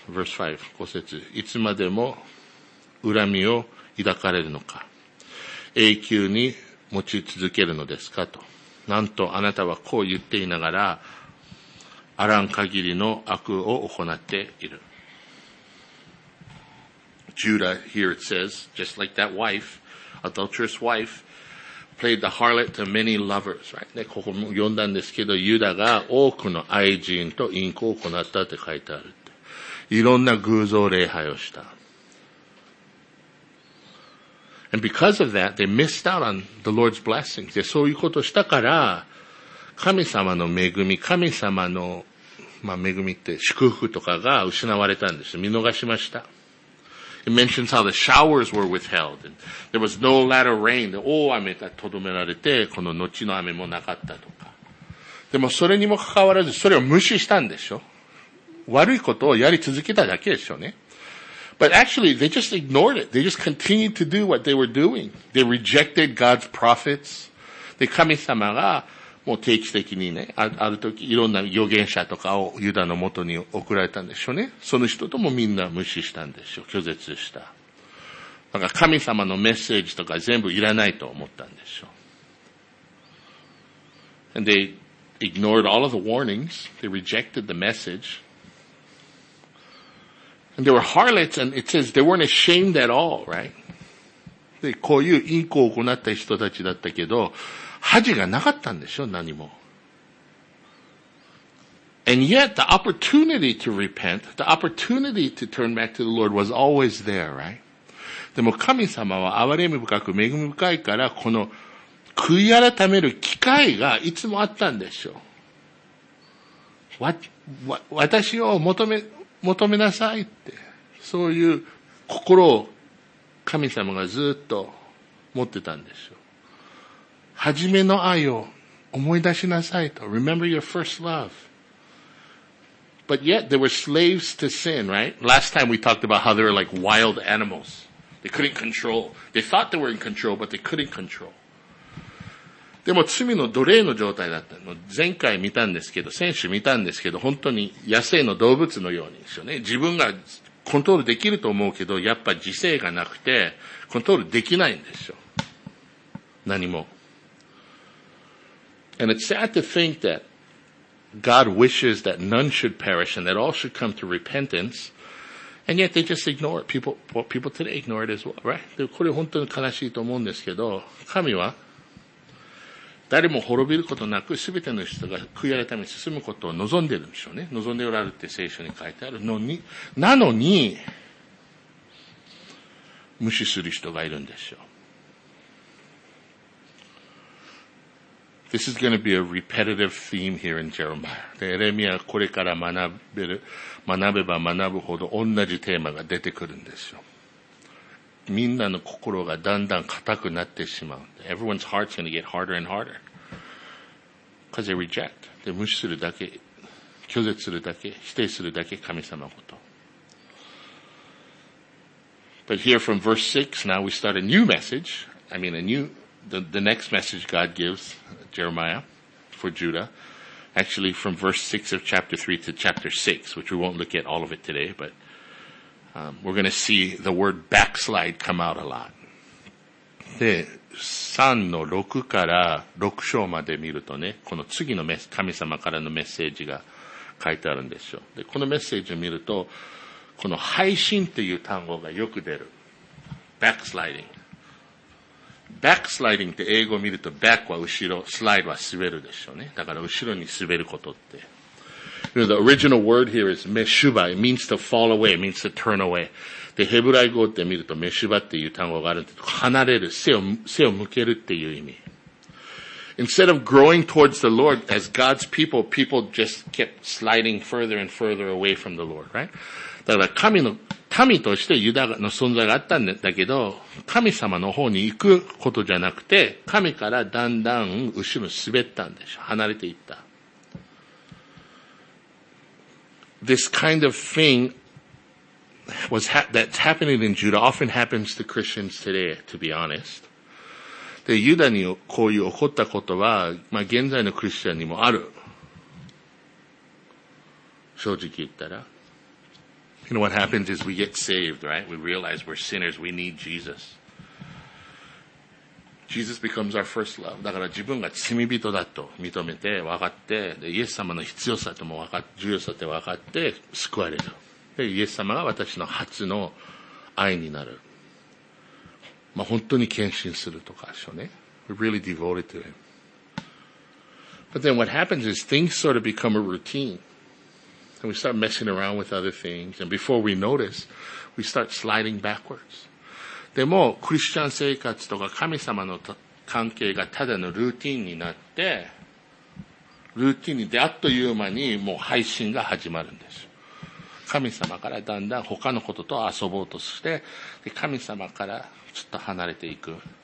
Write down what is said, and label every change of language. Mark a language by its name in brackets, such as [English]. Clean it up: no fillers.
[English] Verse 5、 [Japanese] 5節。いつまでも恨みを抱かれるのか、永久に持ち続けるのですかと。なんとあなたはこう言っていながら、あらん限りの悪を行っている。 [English] Judah, here it says, just like that wife, adulterous wife, played the harlot to many lovers, right? [Japanese] ね、ここも読んだんですけど、ユダが多くの愛人と淫行を行ったって書いてあるって。いろんな偶像礼拝をした。 [English] And because of that, they missed out on the Lord's blessings. [Japanese] で、そういうことしたから、神様の恵み、神様の、まあ、恵みって祝福とかが失われたんです。見逃しました。 [English] It mentions how the showers were withheld. And there was no latter rain. [Japanese] 大雨がとどめられて、この後の雨もなかったとか。でもそれにもかかわらず、それを無視したんでしょ。悪いことをやり続けただけでしょうね。 [English] But actually, they just ignored it. They just continued to do what they were doing. They rejected God's prophets. [Japanese] で、神様が、もう定期的にね、ある時いろんな預言者とかをユダの元に送られたんでしょうね。その人ともみんな無視したんでしょう。拒絶した。だから神様のメッセージとか全部いらないと思ったんでしょう。 [English] And they ignored all of the warnings. They rejected the message. And they were harlots, and it says they weren't ashamed at all, right? [Japanese] で、こういう淫行を行った人たちだったけど、恥がなかったんでしょ、何も。 [English] And yet, the opportunity to repent, the opportunity to turn back to the Lord was always there, right? [Japanese] でも神様は憐れみ深く恵み深いから、この悔い改める機会がいつもあったんでしょう。私を求めなさいって、そういう心を神様がずっと持ってたんでしょう。はじめの愛を思い出しなさいと。 [English] Remember your first love. But yet, they were slaves to sin, right? Last time we talked about how they were like wild animals. They couldn't control. They thought they were in control, but they couldn't control. [Japanese] でも罪の奴隷の状態だったの。前回見たんですけど、先週見たんですけど、本当に野生の動物のようにですよね。自分がコントロールできると思うけど、やっぱ自制がなくて、コントロールできないんですよ。何も。 [English] And it's sad to think that God wishes that none should perish and that all should come to repentance. And yet they just ignore it. People today ignore it as well, right? [Japanese] でこれ本当に悲しいと思うんですけど、神は誰も滅びることなく、すべての人が悔い改めに進むことを望んでいるんでしょうね。望んでおられるって聖書に書いてあるのに、なのに、無視する人がいるんでしょう。 [English] This is going to be a repetitive theme here in Jeremiah. [Japanese] で、エレミアはこれから学べば学ぶほど同じテーマが出てくるんですよ。みんなの心がだんだん固くなってしまう。 [English] Everyone's heart's going to get harder and harder. Because they reject. [Japanese] で、無視するだけ、拒絶するだけ、否定するだけ神様のこと。 [English] But here from verse 6, now we start a new message. I mean, the next message God gives Jeremiah for Judah. Actually, from verse 6 of chapter 3 to chapter 6, which we won't look at all of it today, but we're going to see the word backslide come out a lot. [Japanese] で、3の6から6章まで見るとね、この次の神様からのメッセージが書いてあるんですよ。で、このメッセージを見ると、この背信っていう単語がよく出る。 backsliding。 backsliding って英語を見ると back は後ろ、slide は滑るでしょうね。だから後ろに滑ることって。 [English] You know, the original word here is meshuba. It means to fall away. It means to turn away. [Japanese] で、ヘブライ語って見ると、meshuba っていう単語があるんですけど、離れる、背を向けるっていう意味。 [English] Instead of growing towards the Lord, as God's people, people just kept sliding further and further away from the Lord, right? [Japanese] だから、神の、民としてユダの存在があったんだけど、神様の方に行くことじゃなくて、神からだんだん後ろ滑ったんでしょ。離れていった。 [English] This kind of thing that's happening in Judah often happens to Christians today, to be honest. [Japanese] で、ユダにこういう起こったことは、まあ、現在のクリスチャンにもある。正直言ったら。 [English] You know what happens is we get saved, right? We realize we're sinners, we need Jesus. Jesus becomes our first love. [Japanese] だから自分が罪人だと認めて分かって、で、イエス様の必要さとも分かって、重要さって分かって救われる。で、イエス様が私の初の愛になる。まあ、本当に献身するとかでしょうね。 [English] We're really devoted to him. But then what happens is things sort of become a routine. And we start messing around with other things. And before we notice, we start sliding backwards. [Japanese] でも、クリスチャン生活とか神様の関係がただのルーティンになって、ルーティンに出会っという間にもう配信が始まるんです。神様からだんだん他のことと遊ぼうとして、で神様からちょっと離れていく。